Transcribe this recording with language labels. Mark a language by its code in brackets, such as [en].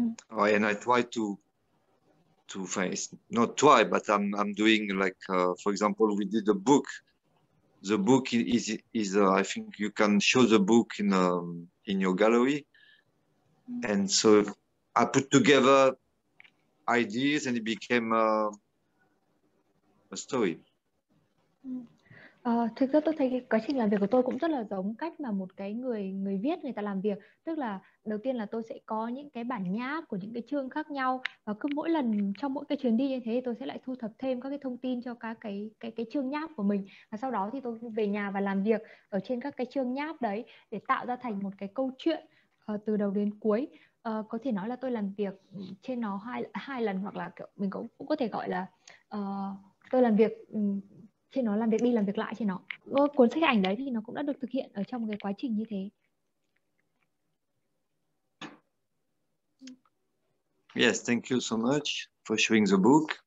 [en] And I try to face, not try, but I'm doing like, for example, we did a book. The book is I think you can show the book in your gallery. And so I put together ideas and it became a story. [vi] Thực ra tôi thấy cái quá trình làm việc của tôi cũng rất là giống cách mà một cái người người viết người ta làm việc, tức là đầu tiên là tôi sẽ có những cái bản nháp của những cái chương khác nhau và cứ mỗi lần trong mỗi cái chuyến đi như thế thì tôi sẽ lại thu thập thêm các cái thông tin cho các cái chương nháp của mình, và sau đó thì tôi về nhà và làm việc ở trên các cái chương nháp đấy để tạo ra thành một cái câu chuyện từ đầu đến cuối. Có thể nói là tôi làm việc trên nó hai lần, hoặc là kiểu mình cũng có thể gọi là tôi làm việc trên nó, làm việc đi làm việc lại trên nó. Cuốn sách ảnh đấy thì nó cũng đã được thực hiện ở trong cái quá trình như thế. [en] Yes, thank you so much for showing the book.